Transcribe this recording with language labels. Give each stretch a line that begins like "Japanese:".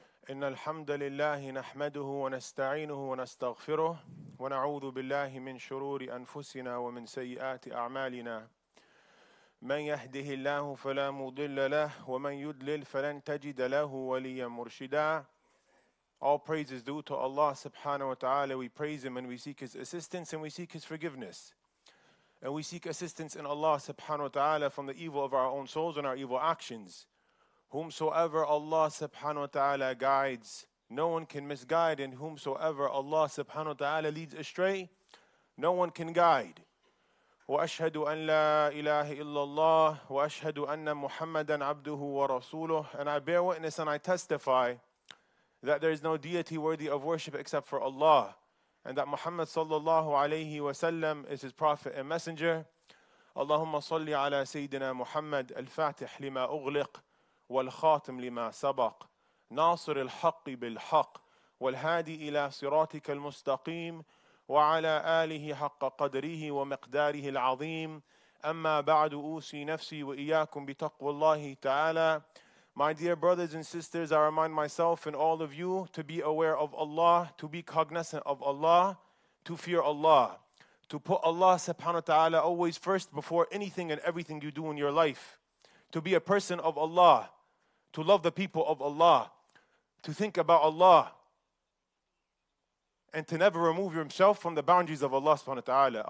Arabic: إن الحمد لله نحمده ونستعينه ونستغفره ونعوذ بالله من شرور أنفسنا ومن سيئات أعمالنا من يهده الله فلا مضل له ومن يضلل فلن تجد له وليا مرشدا.
English: All praises due to Allah subhanahu wa ta'ala. We praise Him and we seek His assistance and we seek His forgiveness. And we seek assistance in Allah subhanahu wa ta'ala from the evil of our own souls and our evil actions. Whomsoever Allah subhanahu wa ta'ala guides, no one can misguide. And whomsoever Allah subhanahu wa ta'ala leads astray, no one can guide.
Arabic: وأشهد أن لا إله إلا الله وأشهد أن محمدا عبده ورسوله.
English: And I bear witness and I testify that there is no deity worthy of worship except for Allah, and that Muhammad
Arabic: صلى الله عليه وسلم
English: is His prophet and messenger.
Arabic: اللهم صل على سيدنا محمد الفاتح لما أغلق والخاتم لما سبق ناصر الحق بالحق والهادي إلى صراطك المستقيم وعلى آله حق قدره ومقداره العظيم أما بعد أوصي نفسي وإياكم بتقوى الله تعالى.
English: My dear brothers and sisters, I remind myself and all of you to be aware of Allah, to be cognizant of Allah, to fear Allah, to put Allah subhanahu wa ta'ala always first before anything and everything you do in your life, to be a person of Allah, to love the people of Allah, to think about Allah, and to never remove yourself from the boundaries of Allah subhanahu wa ta'ala.